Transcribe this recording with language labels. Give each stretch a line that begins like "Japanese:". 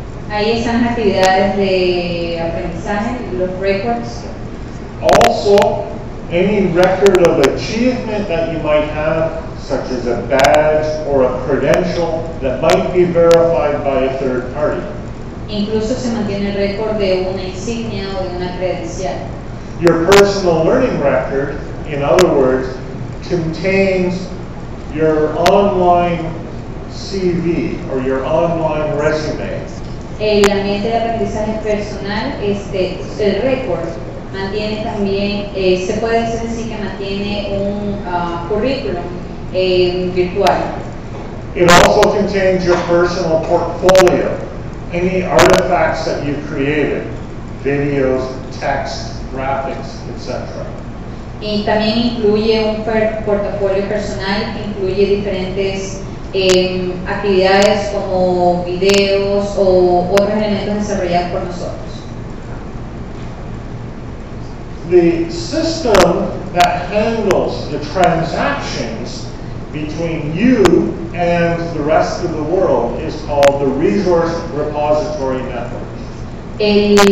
Spanish: Ahí están las actividades de aprendizaje, los records.
English: Also, any record of achievement that you might have, such as a badge or a credential, that might be verified by a third party.
Spanish: Incluso se mantiene el récord de una insignia o de una credencial.
English: Your personal learning record, in other words, contains your online CV or your online resume.
Spanish: El ambiente de aprendizaje personal, el récord, mantiene también, se puede decir así que mantiene un currículum virtual.
English: It also contains your personal portfolio, any artifacts that you've created, videos, text, graphics, etc.
Spanish: Y también incluye un portafolio personal que incluye diferentes actividades como videos o otros elementos desarrollados por nosotros.
English: The system that handles the transactions between you and the rest of the world is called the Resource Repository Network.